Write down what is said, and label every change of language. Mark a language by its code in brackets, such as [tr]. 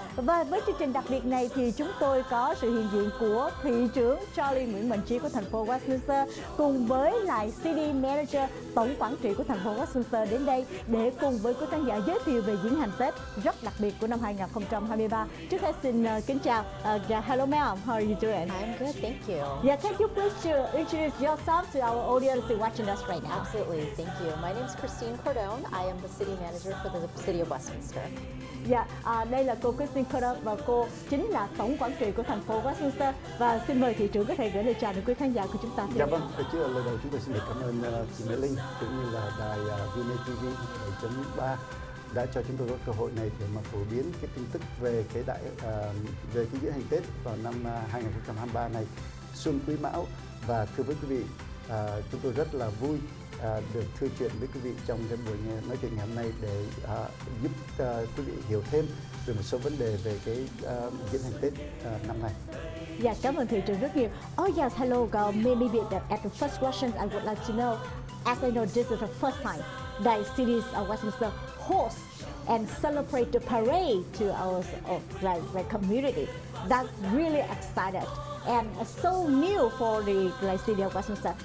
[vi] Và với chương trình đặc biệt này thì chúng tôi có sự hiện diện của thị trưởng Charlie Nguyễn Mạnh Chí của thành phố Westminster cùng với lại City Manager tổng quản trị của thành phố Westminster đến đây để cùng với quý khán giả giới thiệu về diễn hành Tết rất đặc biệt của năm 2023. Trước hết xin kính chào. [en] Hello ma'am, how are you doing? I'm good, thank you. Yeah, can you please introduce yourself to our audience watching us right now? Absolutely, thank you. My name is Christine Cordone. I am the City Manager for the City of Westminster. [vi] Yeah, đây là cô Christine Cordone và cô chính là tổng quản trị của thành phố Westminster. Và xin mời thị trưởng có thể gửi lời chào đến quý khán giả của chúng ta. Dạ vâng, thưa chị, lời đầu chúng tôi xin được cảm ơn chị Mỹ Linh cũng như là đài VTV 7.3 đã cho chúng tôi có cơ hội này để mà phổ biến cái tin tức về cái đại về cái diễn hành Tết vào năm 2023 này, xuân Quý Mão. Và thưa với quý vị, chúng tôi rất là vui được thưa chuyện với quý vị trong cái buổi nói chuyện ngày hôm nay để giúp quý vị hiểu thêm về một số vấn đề về cái diễn hành Tết năm nay. Dạ, cảm ơn thị trường rất nhiều. [en] Oh yes, hello, girl. Maybe that at the first question I would like to know, as I know this is the first time that cities of Westminster host and celebrate the parade to our like community. That's really excited. And so new for the like, city of Westminster.